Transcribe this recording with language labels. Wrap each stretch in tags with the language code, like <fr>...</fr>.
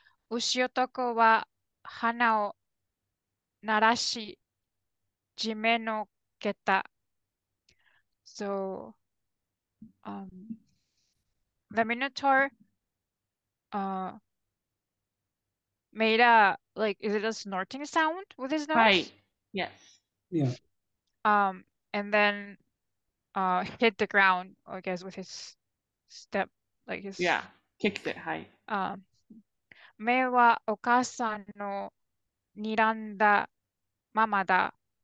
<ja>牛男は鼻を鳴らし地面の蹴った。</ja> <en>So, the Minotaur made a, like, is it a snorting sound with his nose? Right, yes. Yeah. And then hit the ground, I guess, with his step, like his... Yeah, kicked it, hi.</en> <ja>目はお母さんの睨んだままだ。</ja>